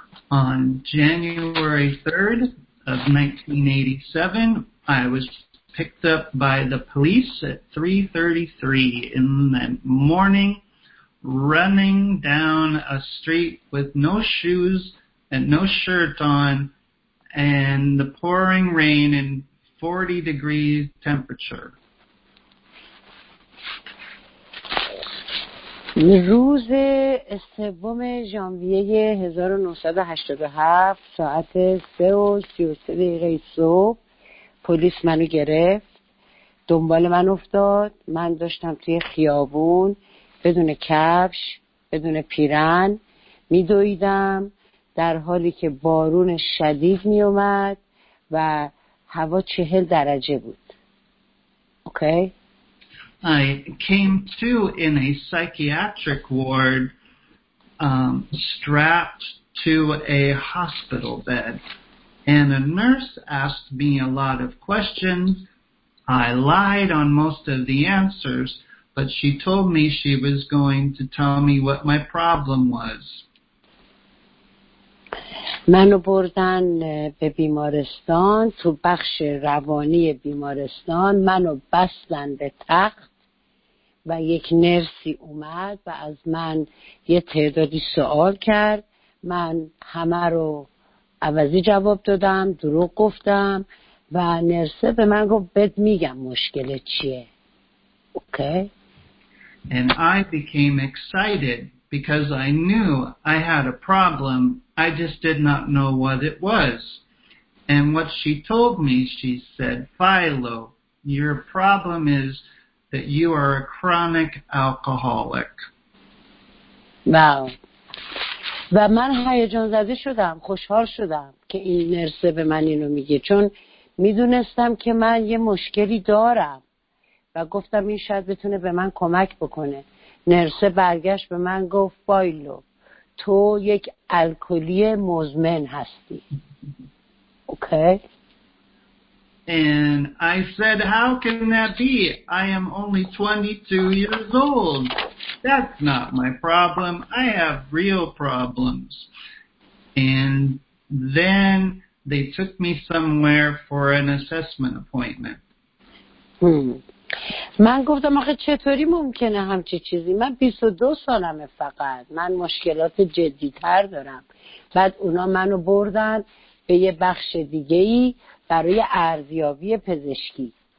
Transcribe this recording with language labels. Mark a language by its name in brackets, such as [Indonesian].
[English] On January 3rd of 1987, I was picked up by the police at 3:33 in the morning, running down a street with no shoes and no shirt on, and the pouring rain in 40 degrees temperature. [Persian] روز سوم ژانویه 1987 ساعت 3:33 صبح پلیس منو گرفت، دنبال من افتاد. من داشتم توی خیابون بدون کفش، بدون پیرن میدویدم در حالی که بارون شدید میومد و هوا [English] 40 degrees [Persian] بود. [English] Okay? I came to in a psychiatric ward, strapped to a hospital bed, and a nurse asked me a lot of questions. I lied on most of the answers, but she told me she was going to tell me what my problem was. [Persian] منو بردن به بیمارستان، تو بخش روانی بیمارستان منو بستن به تخت و یک نرسی اومد و از من یه تعدادی سوال کرد. من همه رو عوضی جواب دادم، دروغ گفتم و نرسه به من گفت بد میگم مشکل چیه. [English] Okay? And I became excited because I knew I had a problem. I just did not know what it was. And what she told me, she said, Philo, your problem is that you are a chronic alcoholic. Wow. [Persian] و من هیجان زده شدم، خوشحال شدم که این نرسه به من اینو میگه، چون میدونستم که من یه مشکلی دارم و گفتم این شاید بتونه به من کمک بکنه. نرسه برگشت به من گفت فایلو تو یک الکلی مزمن هستی. [English] Okay? And I said, how can that be? I am only 22 years old. That's not my problem. I have real problems. And then they took me somewhere for an assessment appointment. [Persian] من گفتم آخه چطوری ممکنه همچی چیزی؟ من 22 سالمه فقط. من مشکلات جدی‌تر دارم. بعد اونا منو بردن به یه بخش دیگه‌ای برای ارزیابی پزشکی.